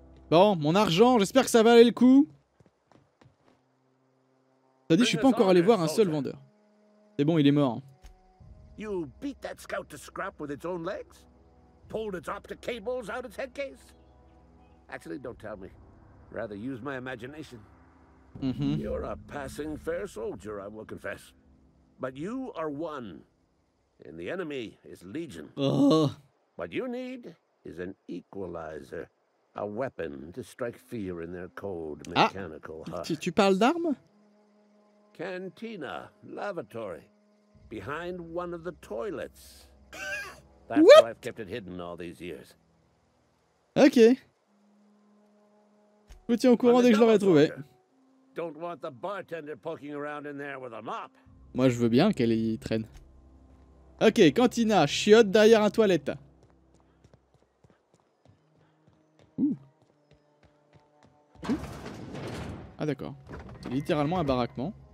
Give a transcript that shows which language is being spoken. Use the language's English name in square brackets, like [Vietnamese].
[French] Bon, mon argent, j'espère que ça valait le coup! Ça dit, je suis pas encore allé voir un seul vendeur. C'est bon, il est mort. Hein. [English] You beat that scout to scrap with its own legs? Pulled its optic cables out its headcase? Actually, don't tell me. Rather use my imagination. Mm-hmm. You're a passing fair soldier, I will confess. But you are one. And the enemy is Legion. What you need is an equalizer. A weapon to strike fear in their cold, mechanical heart. [French] Tu parles d'armes? [English] Cantina, lavatory. Behind one of the toilets. That's what? Why I've kept it hidden all these years. Ok. [French] Je vous tiens au courant dès que je l'aurai trouvé. [English] Don't want the bartender poking around in there with a mop. [French] Moi, je veux bien qu'elle y traîne. Ok, Cantina, chiotte derrière un toilette. Ah d'accord, c'est littéralement un baraquement.